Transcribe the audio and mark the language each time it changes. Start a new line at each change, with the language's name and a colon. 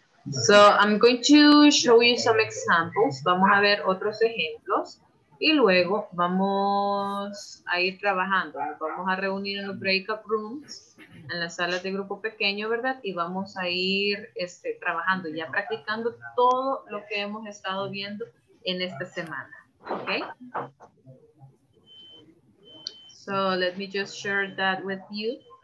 English: So I'm going to show you some examples.
Spanish: Vamos a ver otros ejemplos y luego vamos a ir trabajando. Nos vamos a reunir en los breakout rooms, en las salas de grupo pequeño, ¿verdad? Y vamos a ir trabajando, ya practicando todo lo que hemos estado viendo en esta semana. ¿Ok?
English: So, let me just share that with you.